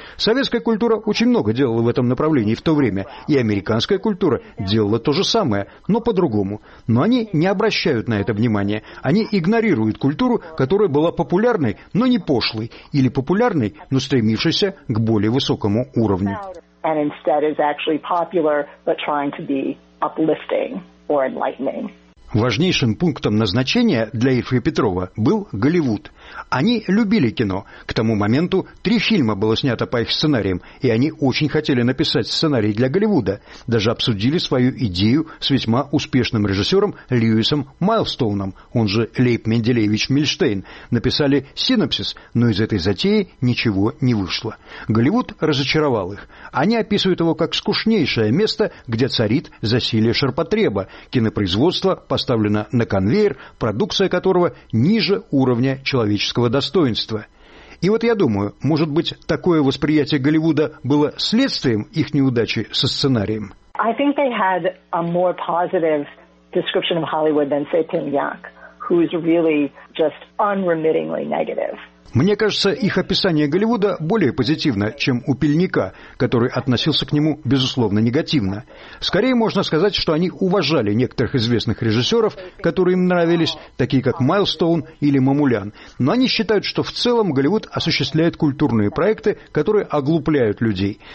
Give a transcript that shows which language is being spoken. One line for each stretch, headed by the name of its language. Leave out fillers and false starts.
Russian: Советская культура очень много делала в этом направлении в то время, и американская культура делала то же самое, но по-другому. Но они не обращают на это внимания. Они игнорируют культуру, которая была популярной, но не пошлой, или популярной, но стремившейся к более высокому уровню.
English: And instead is actually popular, but trying to be uplifting or enlightening.
Russian: Важнейшим пунктом назначения для Ильфа и Петрова был Голливуд. Они любили кино. К тому моменту 3 фильма было снято по их сценариям, и они очень хотели написать сценарий для Голливуда. Даже обсудили свою идею с весьма успешным режиссером Льюисом Майлстоуном, он же Лейб Менделеевич Мильштейн. Написали синопсис, но из этой затеи ничего не вышло. Голливуд разочаровал их. Они описывают его как скучнейшее место, где царит засилье ширпотреба, кинопроизводство поставлена на конвейер, продукция которого ниже уровня человеческого достоинства. И вот я думаю, может быть, такое восприятие Голливуда было следствием их неудачи со сценарием?
English: I think they had a more positive description of Hollywood than, say, Tim Yak, who's really just unremittingly negative.
Russian: Мне кажется, их описание Голливуда более позитивно, чем у Пельника, который относился к нему, безусловно, негативно. Скорее можно сказать, что они уважали некоторых известных режиссеров, которые им нравились, такие как Майлстоун или Мамулян. Но они считают, что в целом Голливуд осуществляет культурные проекты, которые оглупляют людей.